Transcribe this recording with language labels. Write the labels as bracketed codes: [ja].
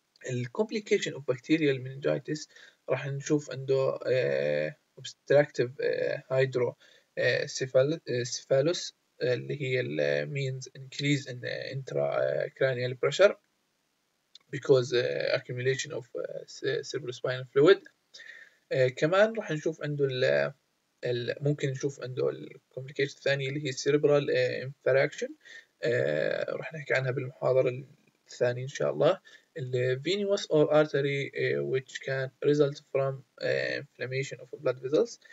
[en] الcomplication of bacterial meningitis [ar] راح نشوف عنده [en] obstructive hydrocephalus اللي هي means increase in intracranial pressure because accumulation of cerebrospinal fluid. [ar] كمان راح نشوف عنده ممكن نشوف عنده الكومبليكيشن الثانية اللي هي السيريبرال انفراكشن راح نحكي عنها بالمحاضرة الثانية إن شاء الله. [en] الفينوس أو الأرتري which can result from inflammation of blood vessels.